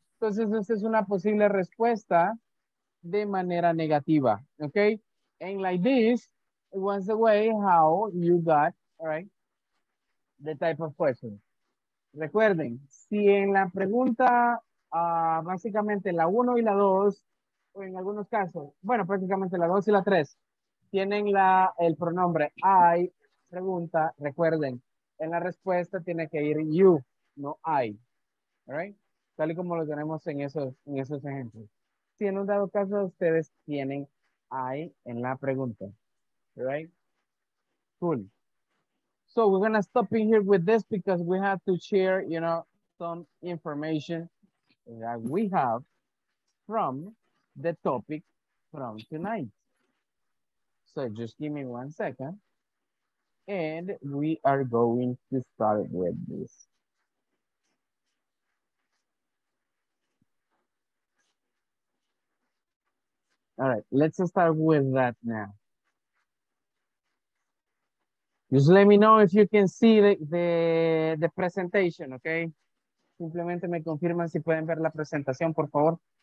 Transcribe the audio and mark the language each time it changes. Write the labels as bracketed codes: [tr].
[es] Entonces, esta es una posible respuesta de manera negativa, okay? [en] And like this, it was the way how you got, all right, the type of question. [es] Recuerden, si en la pregunta, básicamente la 1 y la 2, o en algunos casos, bueno, prácticamente la 2 y la 3, tienen el pronombre I, pregunta, recuerden, en la respuesta tiene que ir you, no I, all right? Tal y como lo tenemos en esos ejemplos. Si en un dado caso ustedes tienen I en la pregunta. [en] Right? Cool. So we're going to stop in here with this because we have to share, you know, some information that we have from the topic from tonight. So just give me 1 second. And we are going to start with this. All right, let's start with that now. Just let me know if you can see the presentation, okay? [es] Simplemente me confirman si pueden ver la presentación, por favor.